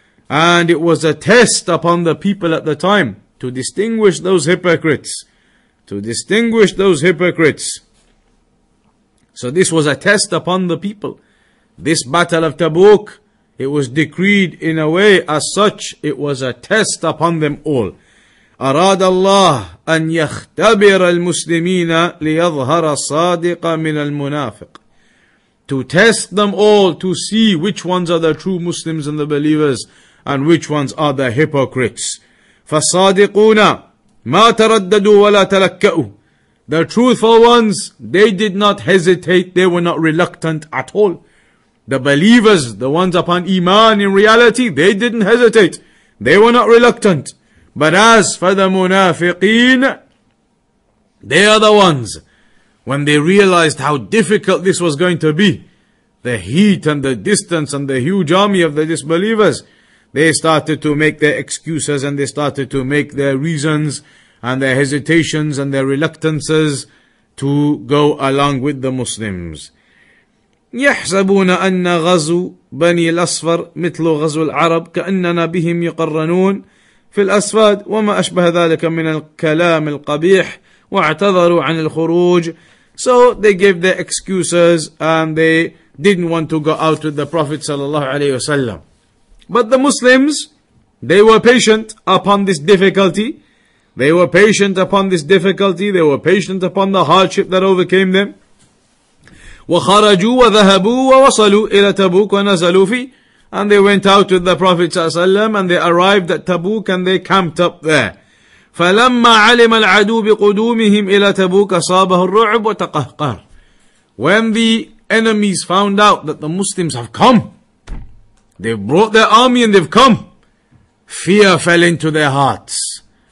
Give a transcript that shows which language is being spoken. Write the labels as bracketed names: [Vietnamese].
[English] And it was a test upon the people at the time to distinguish those hypocrites. To distinguish those hypocrites. So this was a test upon the people. This battle of Tabuk, it was decreed in a way as such, it was a test upon them all. [Arabic] أراد الله أن يختبر المسلمين ليظهر الصادق من المنافق. [English] To test them all, to see which ones are the true Muslims and the believers, and which ones are the hypocrites. [Arabic] فالصادقون ما ترددوا ولا تلكأوا. [English] The truthful ones, they did not hesitate, they were not reluctant at all. The believers, the ones upon iman in reality, they didn't hesitate, they were not reluctant. But as for the munafiqeen, they are the ones, when they realized how difficult this was going to be, the heat and the distance and the huge army of the disbelievers, they started to make their excuses and they started to make their reasons and their hesitations and their reluctances to go along with the Muslims. [Arabic] يَحْسَبُونَ أَنَّ غَزُوا بَنِي الْأَصْفَرْ مِثْلُ غَزُوا الْعَرَبِ كَأَنَّنَا بِهِمْ يَقَرَّنُونَ في الأسفاد وما أشبه ذلك من الكلام القبيح واعتذروا عن الخروج. [English] So they gave their excuses and they didn't want to go out with the Prophet sallallahu alaihi wasallam. But the Muslims, they were patient upon this difficulty. They were patient upon this difficulty. They were patient upon the hardship that overcame them. [Arabic] وخرجوا وذهبوا ووصلوا إلى تبوك ونزلوا فيه. [English] And they went out with the Prophet ﷺ, and they arrived at Tabuk and they camped up there. [Arabic] فَلَمَّا عَلِمَ الْعَدُو بِقُدُومِهِمْ إِلَى تَبُوكَ صَابَهُ الرُّعْبُ وَتَقَهْقَرْ. [English] When the enemies found out that the Muslims have come, they've brought their army and they've come, fear fell into their hearts.